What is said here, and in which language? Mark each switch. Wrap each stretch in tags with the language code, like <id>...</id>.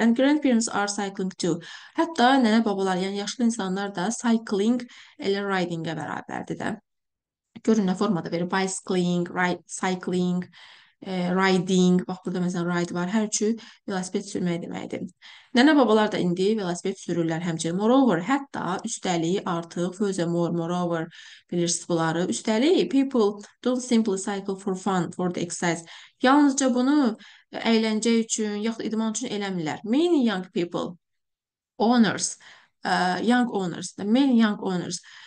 <en>And grandparents are cycling too.</en> <az>Hətta nənə babalar, yəni yaşlı insanlar da cycling elə riding-ə bərabərdir də. Görün nə formada verir.</az> <en>Bicycling, cycling, riding.</en> <az>Bax, burada məsələn ride var. Hər üçü velosiped sürmək deməkdir. Nənə babalar da indi velosiped sürürlər həmçinin. Moreover, hətta üstəlik artıq fözə moreover bilirsiniz bunları. Üstəlik</az> <en>people don't simply cycle for fun, for the exercise.</en> <az>Yalnızca bunu əyləncə üçün, yaxud idman üçün eləmirlər.</az> <en>Many young people, owners, young owners, many young owners.</en>